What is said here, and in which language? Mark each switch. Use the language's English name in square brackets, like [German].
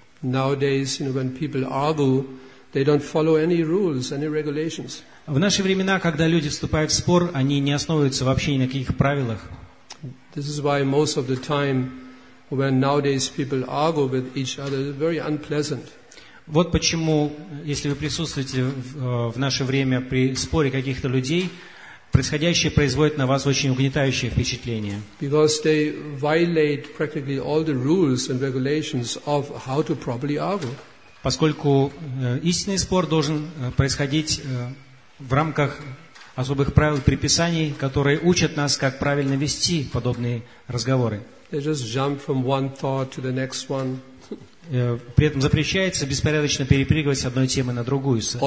[English] Nowadays, you know, when people argue, they don't follow any rules, any regulations. [Russian] В наши времена, когда люди вступают в спор, они не основываются вообще ни на каких правилах. [English] This is why most of the time when nowadays people argue with each other, it's very unpleasant. [Russian] Вот почему, если вы присутствуете в наше время при споре каких-то людей, происходящее производит на вас очень угнетающее впечатление. [English] Because they violate practically all the rules and regulations of how to properly argue. [Russian] Поскольку истинный спор должен происходить в рамках особых правил приписаний, которые учат нас, как правильно вести подобные разговоры. [English] They just jump from one thought to the next one. [Russian] При этом запрещается беспорядочно перепрыгивать с одной темы на другую.